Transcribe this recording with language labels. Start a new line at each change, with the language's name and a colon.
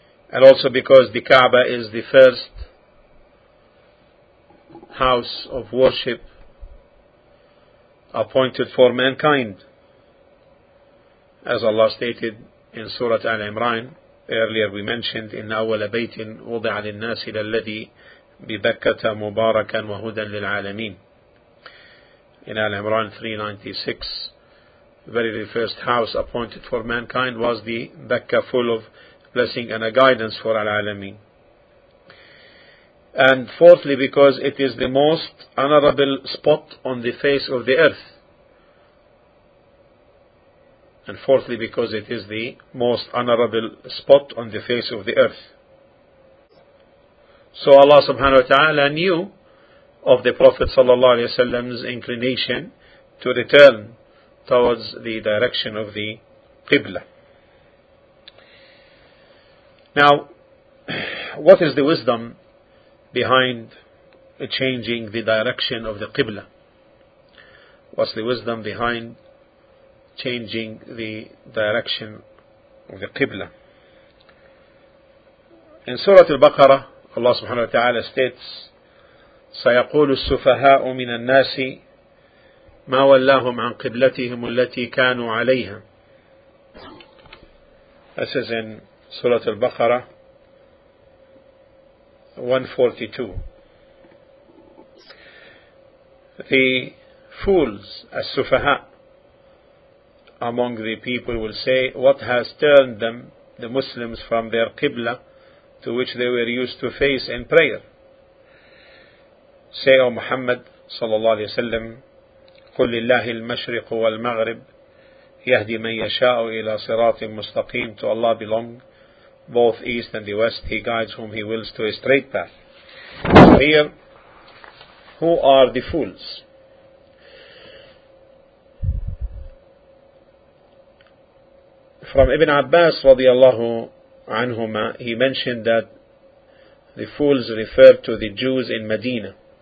English: and also because the Kaaba is the first house of worship appointed for mankind, as Allah stated in Surah Al-Imran. Earlier we mentioned,
Arabic: إِنَّ أَوَّلَ بَيْتٍ وُضِعَ لِلنَّاسِ لَلَّذِي بِبَكَّةَ مُبَارَكًا وَهُدًى لِلْعَالَمِينَ.
English: In Al-Imran 396, verily the first house appointed for mankind was the Bekka, full of blessing and a guidance for Al-Alameen. And fourthly, because it is the most honorable spot on the face of the earth. And fourthly, because it is the most honorable spot on the face of the earth. So Allah subhanahu wa ta'ala knew of the Prophet sallallahu alayhi wa sallam's inclination to return towards the direction of the Qibla. Now, what is the wisdom behind changing the direction of the Qibla? What's the wisdom behind changing the direction of the Qibla? In Surah Al-Baqarah, Allah subhanahu wa ta'ala states,
Arabic: سَيَقُولُ السُّفَهَاءُ مِنَ النَّاسِ مَا وَلَّاهُمْ عَنْ قِبْلَتِهِمُ الَّتِي كَانُوا عَلَيْهَا.
English: This is in Surah Al-Baqarah 142. The fools, as-sufaha, among the people will say, what has turned them, the Muslims, from their Qibla to which they were used to face in prayer? Say, O Muhammad sallallahu alayhi wa sallam,
Arabic: قُلْ لِلَّهِ الْمَشْرِقُ وَالْمَغْرِبُ يَهْدِي مَنْ يَشَاءُ إِلَى صِرَاطٍ مُسْتَقِيمٍ.
English: To Allah belong both east and the west. He guides whom he wills to a straight path. So here, who are the fools? From Ibn Abbas radiallahu anhuma, he mentioned that the fools referred to the Jews in Medina.